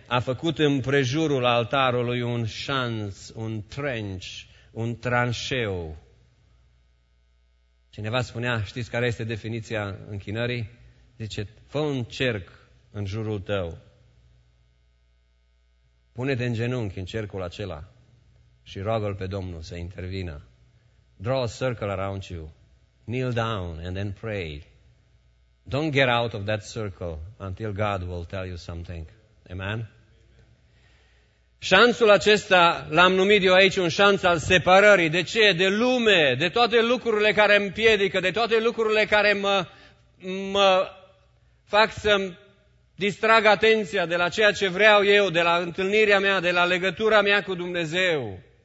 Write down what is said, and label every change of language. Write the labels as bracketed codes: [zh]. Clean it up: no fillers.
[ro] A făcut împrejurul altarului un șanț, un trench, un tranșeu. Cineva spunea, știți care este definiția închinării? Zice, fă un cerc în jurul tău. Pune-te în genunchi în cercul acela și roagă-L pe Domnul să intervină. [en] Draw a circle around you. Kneel down and then pray. Don't get out of that circle until God will tell you something. [ro] Amen? Șanțul acesta l-am numit eu aici un șanț al separării. De ce? De lume, de toate lucrurile care îmi împiedică, de toate lucrurile care mă fac să distrag atenția de la ceea ce vreau eu, de la întâlnirea mea, de la legătura mea cu Dumnezeu.